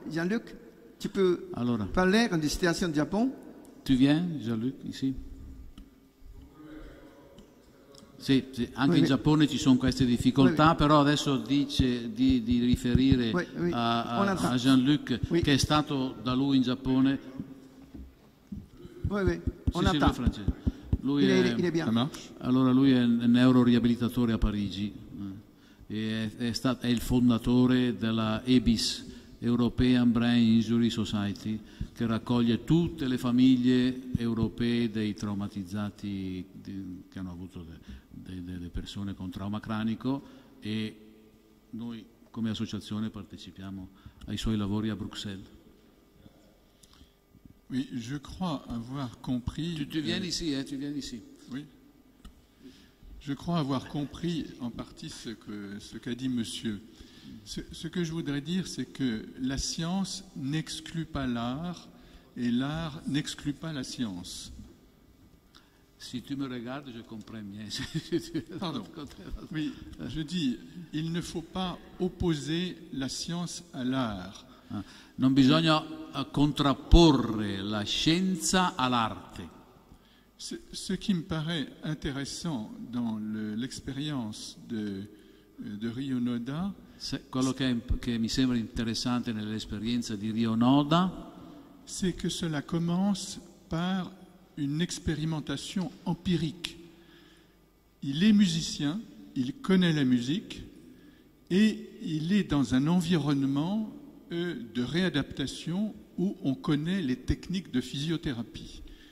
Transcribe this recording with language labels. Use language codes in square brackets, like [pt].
[fr] Jean-Luc, tu peux alors, parler de la situation du Japon? Tu viens, Jean-Luc, ici? [it] Sì, sì, anche in Giappone ci sono queste difficoltà, però adesso dice di riferire a Jean-Luc, che è stato da lui in Giappone. Sì, lui è francese. Lui è, allora lui è un neuroriabilitatore a Parigi, e è il fondatore della EBIS, European Brain Injury Society, che raccoglie tutte le famiglie europee dei traumatizzati che hanno avuto delle persone con trauma cranico, e noi come associazione partecipiamo ai suoi lavori a Bruxelles. [fr] Oui, je crois avoir compris. Tu viens ici, tu viens ici. Oui. Je crois avoir compris en partie ce qu'a dit monsieur. Ce que je voudrais dire, c'est que la science n'exclut pas l'art et l'art n'exclut pas la science. Si tu me regardes, je comprends bien. Pardon. Oui, je dis, il ne faut pas opposer la science à l'art. [it] Non bisogna contrapporre la scienza all'arte. [fr] Ce qui me paraît intéressant dans l'expérience de Ryo Noda. [it] Quello che mi sembra interessante nell'esperienza di Ryo Noda. [fr] C'est que cela commence par une expérimentation empirique. Il est musicien, il connaît la musique et il est dans un environnement de réadaptation où on connaît les techniques de physiothérapie.